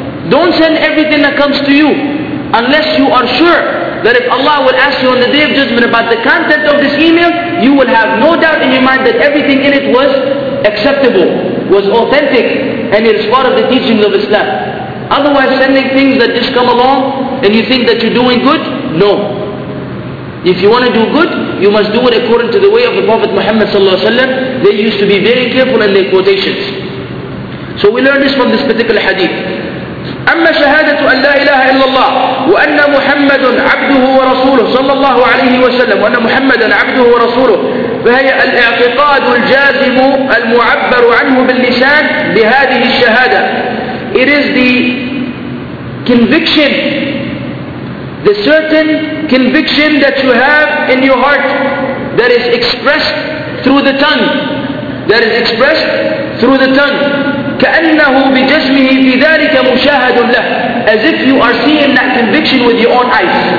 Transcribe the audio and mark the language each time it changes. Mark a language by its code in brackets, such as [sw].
[en] Don't send everything that comes to you unless you are sure that if Allah will ask you on the day of judgment about the content of this email, you will have no doubt in your mind that everything in it was acceptable, was authentic, and it is part of the teachings of Islam. Otherwise, sending things that just come along and you think that you're doing good, no. If you want to do good, you must do it according to the way of the Prophet Muhammad sallallahu alaihi wasallam. They used to be very careful in their quotations. So we learn this from this particular hadith. [ar] أما شهادة أن لا إله إلا الله وأن محمد عبده ورسوله صلى الله عليه وسلم وأن محمد عبده ورسوله فهي الاعتقاد الجازم المعبر عنه باللسان بهذه الشهادة. [en] It is the conviction, the certain conviction that you have in your heart that is expressed through the tongue, that is expressed through the tongue. [ar] كأنه بجسمه في ذلك مشاهد له. [en] As if you are seeing that conviction with your own eyes.